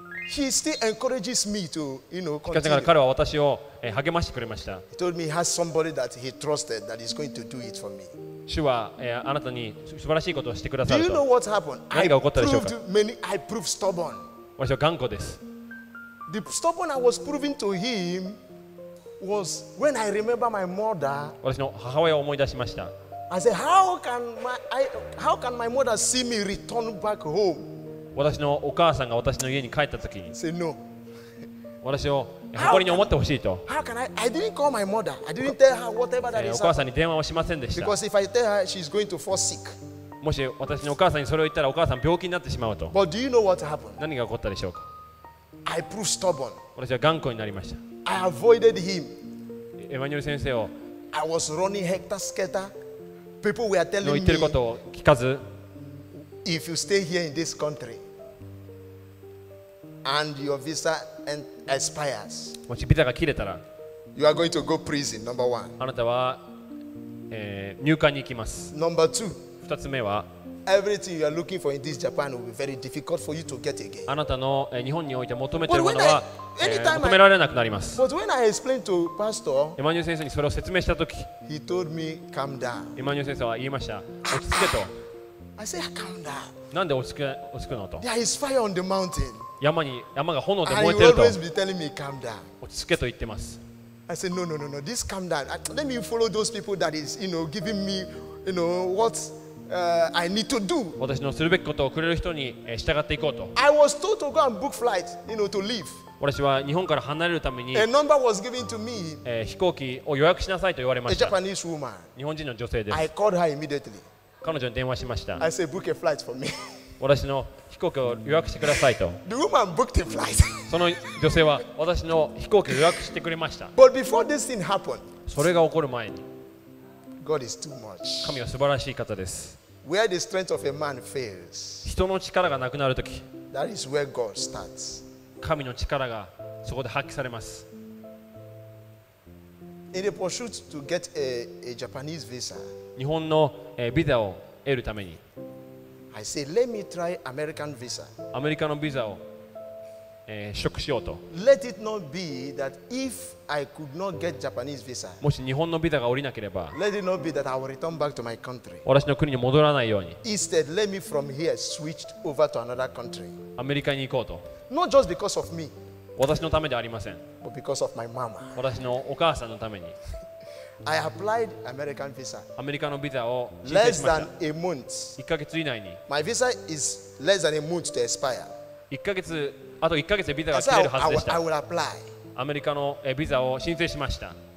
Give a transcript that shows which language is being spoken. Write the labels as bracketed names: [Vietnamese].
[English] He still encourages me to, you know, continue. [Japanese] しかしながら彼は私を励ましてくれました。 [English] He told me he has somebody that he trusted that is going to do it for me. [Japanese] 主はあなたに素晴らしいことをしてくださると。 [English] Do you know what happened? [Japanese] 何が起こったでしょうか? [English] I proved stubborn. [Japanese] 私は頑固です。 [English] The stubborn I was proving to him was when I remember my mother. [Japanese] 私の母親を思い出しました。 [English] I said, how can my mother see me return back home? [Japanese] 私のお母さんが私の家に帰ったときに、 [English] Say no. [Japanese] 私を誇りに思ってほしいと。 [English] I didn't call my mother. I didn't tell her whatever that is. [Japanese] お母さんに電話をしませんでした。 [English] Because if I tell her, she's going to fall sick. [Japanese] もし私のお母さんにそれを言ったら、お母さん病気になってしまうと。 [English] But do you know what happened? [Japanese] 何が起こったでしょうか。 [English] I proved stubborn. [Japanese] 私は頑固になりました。 [English] I avoided him. [Japanese] エマニュエル先生を。 [English] I was running hector skater. People were telling me. [Japanese] の言ってることを聞かず。 [English] If you stay here in this country. And your visa expires. [Japanese] もしビザが切れたら、 [English] you are going to go prison. Number one. [Japanese] あなたは、入管に行きます。 [English] Number two. [Japanese] 二つ目は、 [English] everything you are looking for in this Japan will be very difficult for you to get again. [Japanese] あなたの、日本において求めているものは、求められなくなります。 [English] But when I explained to Pastor, [Japanese] エマニュエル先生にそれを説明したとき、 [English] he told me, calm down. [Japanese] エマニュエル先生は言いました、落ち着けと。 [English] I said, calm down. [Japanese] なんで落ち着くのと。 [English] There is fire on the mountain. [Japanese] 山が炎で燃えてると落ち着けと言ってます。 [English] I said no no no no this calm down let me follow those people that is you know giving me you know what I need to do [Japanese] 私のするべきことをくれる人に従っていこうと。 [English] I was told to go and book flight you know to leave [Japanese] 私は日本から離れるために [English] a number was given to me [Japanese] 飛行機を予約しなさいと言われました。 [English] a Japanese woman [Japanese] 日本人の女性です。 [English] I called her immediately [Japanese] 彼女に電話しました。 [English] I said book a flight for me [Japanese] 私の飛行機を予約してくださいと。 [English] The woman booked the flight. [Japanese] その女性は私の飛行機を予約してくれました。 [English] But before this thing happened, [Japanese] それが起こる前に、 [English] God is too much. [Japanese] 神は素晴らしい方です。 [English] Where the strength of a man fails, [Japanese] 人の力がなくなるとき、 [English] that is where God starts. [Japanese] 神の力がそこで発揮されます。 [English] In the pursuit to get a Japanese visa, [Japanese] 日本のビザを得るために、 [English] I say, let me try American visa. [Japanese] アメリカのビザを、取得しようと。 [English] Let it not be that if I could not get Japanese visa, [Japanese] もし日本のビザが下りなければ、 [English] let it not be that I will return back to my country. [Japanese] 私の国に戻らないように。 [English] Instead, let me from here switch over to another country. [Japanese] アメリカに行こうと。 [English] Not just because of me, [Japanese] 私のためではありません。 [English] But because of my mama. [Japanese] 私のお母さんのために。 [English] I applied American visa. [Japanese] アメリカのビザを申請しました。 [English] Less than a month. [Japanese] 1ヶ月以内に。 [English] My visa is less than a month to expire. [Japanese] 1ヶ月あと1ヶ月でビザが切れるはずでした。 [English] I will apply. [Japanese] アメリカのビザを申請しました。